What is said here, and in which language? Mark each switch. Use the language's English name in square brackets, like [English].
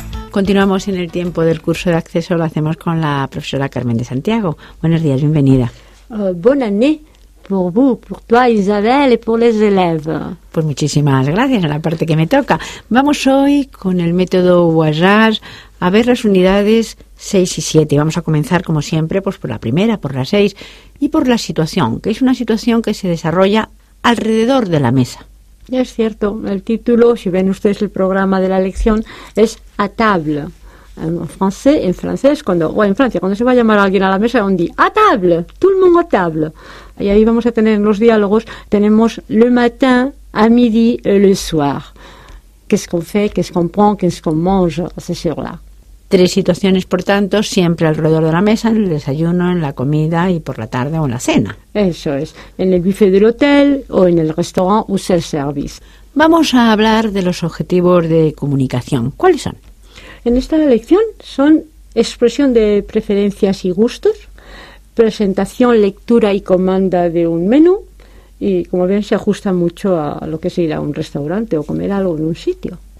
[Spanish] Continuamos en el tiempo del curso de acceso, lo hacemos con la profesora Carmen de Santiago. Buenos días, bienvenida. [French] Bonne année pour vous, pour toi Isabelle et pour les élèves. [Spanish] Pues muchísimas gracias, a la parte que me toca. Vamos hoy con el método Voisin a ver las unidades 6 y 7. Vamos a comenzar, como siempre, pues por la primera, por la 6, y por la situación, que es una situación que se desarrolla alrededor de la mesa. Es cierto, el título, si ven ustedes el programa de la lección, es à table. En francés, cuando se va a llamar a alguien a la mesa, [French] on dit à table, [Spanish] tout le monde à table. Y ahí vamos a tener en los diálogos, tenemos [French] le matin, à midi, le soir. Qu'est-ce qu'on fait, qu'est-ce qu'on prend, qu'est-ce qu'on mange, c'est sûr là. [Spanish] Tres situaciones, por tanto, siempre alrededor de la mesa, en el desayuno, en la comida y por la tarde o en la cena. Eso es, en el buffet del hotel o en el restaurant [French] ou c'est service. [Spanish] Vamos a hablar de los objetivos de comunicación. ¿Cuáles son? En esta lección son expresión de preferencias y gustos, presentación, lectura y comanda de un menú, y como ven se ajusta mucho a lo que es ir a un restaurante o comer algo en un sitio.